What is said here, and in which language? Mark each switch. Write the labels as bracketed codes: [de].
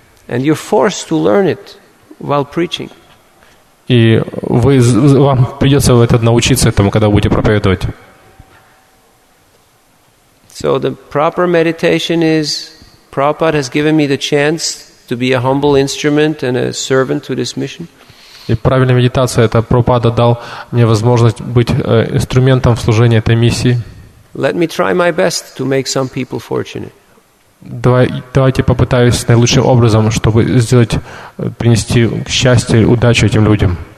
[en] And you're forced to learn it while preaching. [ru] И вы, вам придется это научиться этому, когда будете проповедовать. [en] So the proper meditation is, Prabhupada has given me the chance to be a humble instrument and a servant to this mission. [ru] И правильная медитация – это Прабхупада дал мне возможность быть инструментом в служении этой миссии. [en] Let me try my best to make some people fortunate. [ru] Давайте попытаюсь наилучшим образом, чтобы сделать, принести счастье и удачу этим людям.